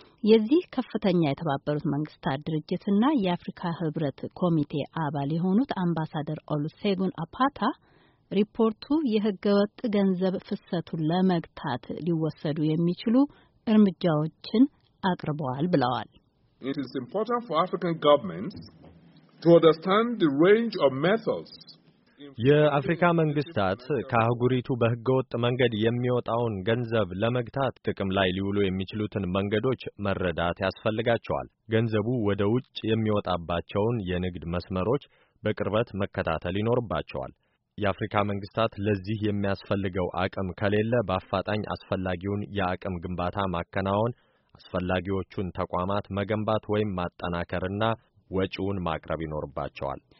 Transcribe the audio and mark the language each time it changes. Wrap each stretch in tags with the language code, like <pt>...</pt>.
<am>የዚህ ከፍተኛ የተባበሩት መንግስታት ድርጅትና የአፍሪካ ህብረት ኮሚቴ አባል የሆኑት አምባሳደር ኦሉሴጉን አፓታ ሪፖርቱ የህገወጥ ገንዘብ ፍሰቱን ለመግታት ሊወሰዱ የሚችሉ እርምጃዎችን አቅርበዋል ብለዋል።</am> <en>It is important for African governments to understand the range of methods.</en> <am>የአፍሪካ መንግስታት ከአህጉሪቱ በህገወጥ መንገድ የሚወጣውን ገንዘብ ለመግታት ጥቅም ላይ ሊውሉ የሚችሉትን መንገዶች መረዳት ያስፈልጋቸዋል። ገንዘቡ ወደ ውጭ የሚወጣባቸውን የንግድ መስመሮች በቅርበት መከታተል ይኖርባቸዋል። የአፍሪካ መንግስታት ለዚህ የሚያስፈልገው አቅም ከሌለ በአፋጣኝ አስፈላጊውን የአቅም ግንባታ ማከናወን፣ አስፈላጊዎቹን ተቋማት መገንባት ወይም ማጠናከርና ወጪውን ማቅረብ ይኖርባቸዋል።</am>